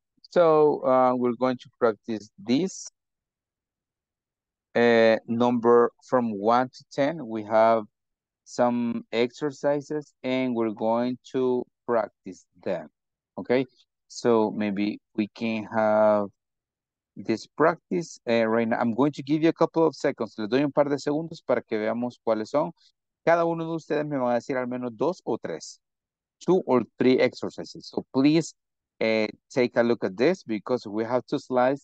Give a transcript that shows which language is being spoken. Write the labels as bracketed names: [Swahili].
[English] So we're going to practice this. Number from 1 to 10, we have some exercises and we're going to practice them, okay? So maybe we can have this practice right now. I'm going to give you a couple of seconds. [Spanish] Les doy un par de segundos para que veamos cuáles son. Cada uno de ustedes me va a decir al menos dos o tres. [English] Two or three exercises. So please take a look at this because we have two slides.